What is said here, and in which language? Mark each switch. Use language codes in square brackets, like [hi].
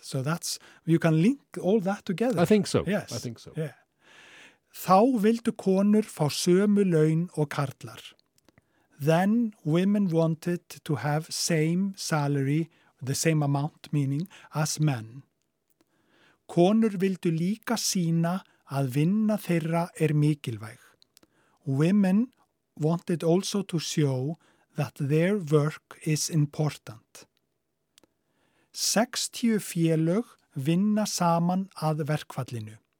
[en] So that's, you can link all that together. I think so. Yes. I think so. [is] Yeah. Þá vildu konur fá sömu laun og karlar. [en] Then women wanted to have same salary, the same amount meaning, as men. [is] Konur vildu líka sína að vinna þeirra mikilvæg. [en] Women wanted also to show that their work is important. [is] 60 félög vinna saman að verkfallinu.